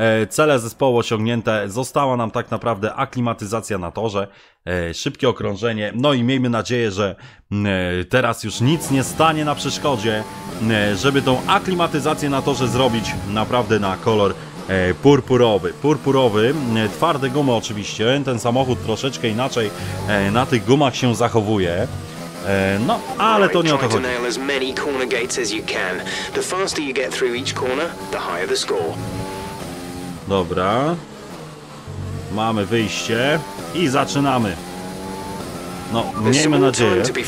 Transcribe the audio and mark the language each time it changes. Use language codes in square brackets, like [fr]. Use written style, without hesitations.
[pl] Cele zespołu osiągnięte, została nam tak naprawdę aklimatyzacja na torze, szybkie okrążenie, no i miejmy nadzieję, że teraz już nic nie stanie na przeszkodzie, żeby tą aklimatyzację na torze zrobić naprawdę na kolor purpurowy, twarde gumy oczywiście, ten samochód troszeczkę inaczej na tych gumach się zachowuje. No, ale to nie o to chodzi. [en] Try to nail as many corner gates as you can. The faster you get through each corner, the higher the score. [pl] Dobra, mamy wyjście i zaczynamy. No, miejmy nadzieję.